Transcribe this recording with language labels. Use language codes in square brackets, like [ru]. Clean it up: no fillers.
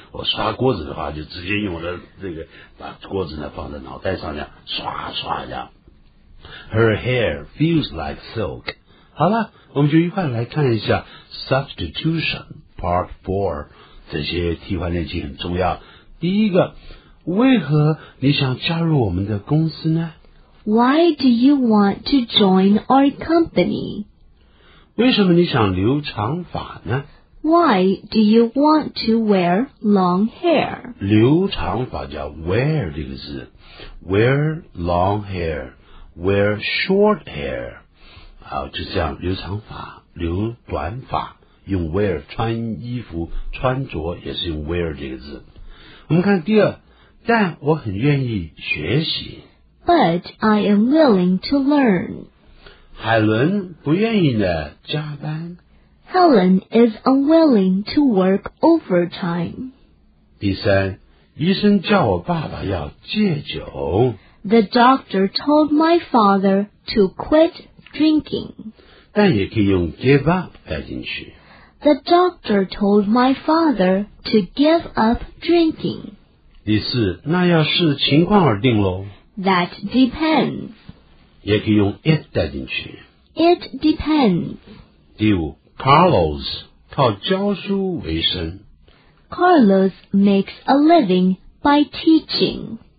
[zh] 我刷锅子的话，就直接用我的这个把锅子呢放在脑袋上，这样刷刷这样。 [en] Her hair feels like silk. [zh] 好了，我们就一块来看一下 substitution part 4，这些替换练习很重要。第一个，为何你想加入我们的公司呢？ [en] Why do you want to join our company? [zh] 为什么你想留长发呢？ [en] Why do you want to wear long hair? [zh] 留长发叫 wear 这个字， [en] wear long hair, wear short hair。 [zh] 好，就这样，留长发，留短发，用 wear 穿衣服，穿着也是用 wear 这个字。我们看第二，但我很愿意学习。 [en] But I am willing to learn. [zh] 海伦不愿意呢加班。 [en] Helen is unwilling to work overtime. [zh] 第三，医生叫我爸爸要戒酒。 [en] The doctor told my father to quit. Drinking. [zh] 但也可以用 give up 带进去。 [en] The doctor told my father to give up drinking. [zh] 第四，那要视情况而定咯。 [en] That depends. [zh] 也可以用 it 带进去。 [en] It depends. [zh] 第五， Carlos 靠教书为生。 [en] Carlos makes a living by teaching.